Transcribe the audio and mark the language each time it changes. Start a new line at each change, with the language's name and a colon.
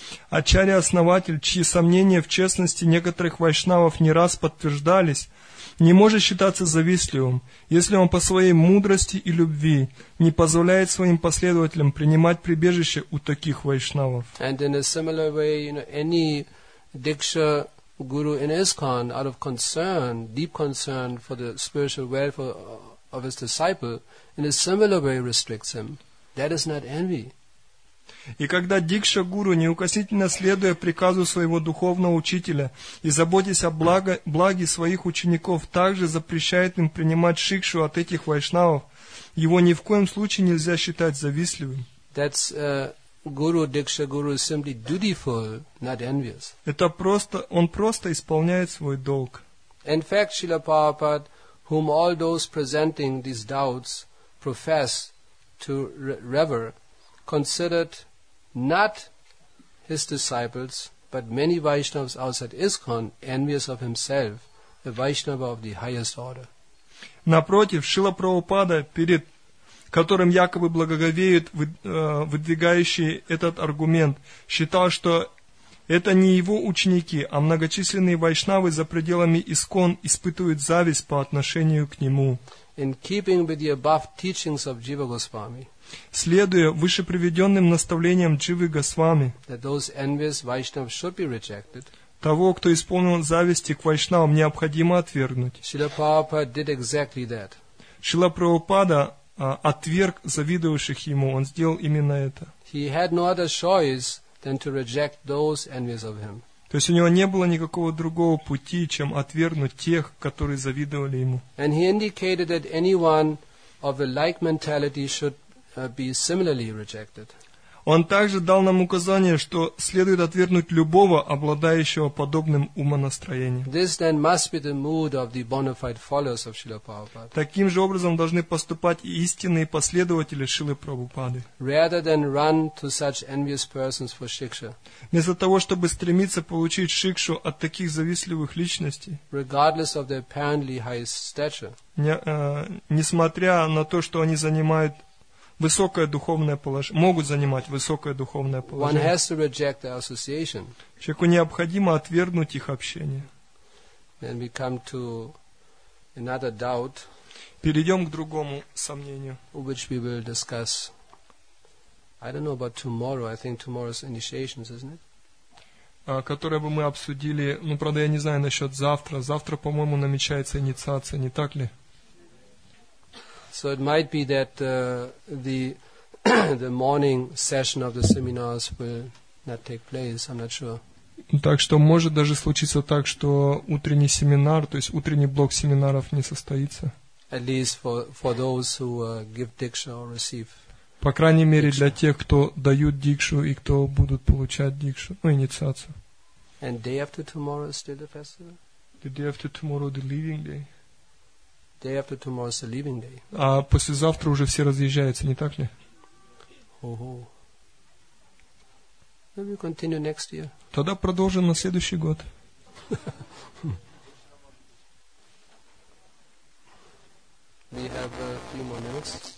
Russian: Ачарья-основатель, чьи сомнения в честности некоторых вайшнавов не раз подтверждались, не может считаться завистливым, если он по своей мудрости и любви не позволяет своим последователям принимать прибежище у таких вайшнавов.
English: And in a similar way, you know, any Diksha guru in ISKCON, out of concern, deep concern for the spiritual welfare of his disciple, in a similar way restricts him. That is not envy.
Russian: И когда дикша-гуру, неукоснительно следуя приказу своего духовного учителя и заботясь о благе своих учеников, также запрещает им принимать шикшу от этих вайшнавов, его ни в коем случае нельзя считать завистливым.
English: That's, guru, дикша-гуру, simply dutiful, not envious.
Russian: Это просто, он просто исполняет свой долг.
English: In fact, Srila Prabhupada, whom all those presenting these doubts profess to rever, considered not his disciples, but many Vaishnavas outside ISKCON, envious of himself, a Vaishnava of the highest order.
Russian: Напротив, Шрила Прабхупада, перед которым якобы благоговеют выдвигающие этот аргумент, считал, что это не его ученики, а многочисленные вайшнавы за пределами ИСКОН испытывают зависть по отношению к нему.
English: In keeping with the above teachings of Jiva Goswami,
Russian: следуя вышеприведенным наставлениям Дживы Госвами, того, кто исполнил зависти к вайшнавам, необходимо отвергнуть.
English: Шрила Прабхупада did exactly that.
Russian: Шрила Прабхупада отверг завидовавших ему, он сделал именно это.
English: He had no other choice than to reject those envious of him.
Russian: То есть у него не было никакого другого пути, чем отвергнуть тех, которые завидовали ему.
English: And he indicated that anyone of a like mentality should be similarly rejected.
Russian: Он также дал нам указание, что следует отвергнуть любого, обладающего подобным умонастроением.
English: This then must be the mood of the bona fide followers of Srila Prabhupada.
Russian: Таким же образом должны поступать и истинные последователи Шрилы Прабхупады.
English: Rather than run to such envious persons for shiksha.
Russian: Вместо того, чтобы стремиться получить шикшу от таких завистливых личностей,
English: regardless of their apparently high stature,
Russian: несмотря на то, что они занимают высокое духовное положение, могут занимать высокое духовное положение.
English: One has to reject the association.
Russian: Человеку необходимо отвергнуть их общение.
English: Then we come to another doubt.
Russian: Перейдем к другому сомнению.
English: Which we will discuss. I don't know about tomorrow. I think tomorrow's initiations, isn't it?
Russian: Которое бы мы обсудили. Ну, правда, я не знаю насчет завтра. Завтра, по-моему, намечается инициация, не так ли?
English: So it might be that the morning session of the seminars will not take place. I'm not sure.
Russian: Так что может даже случиться так, что утренний семинар, то есть утренний блок семинаров не состоится.
English: At least for those who give diksha or receive.
Russian: По крайней мере для тех, кто дают дикшу и кто будут получать дикшу, ну, инициацию.
English: And day after tomorrow is still the festival? The day after tomorrow, the leaving day. Day after tomorrow is the leaving day.
Russian: А послезавтра уже все разъезжаются, не так ли? Oh-ho.
English: Then we continue next year.
Russian: Тогда продолжим на следующий год.
English: We have a few more minutes.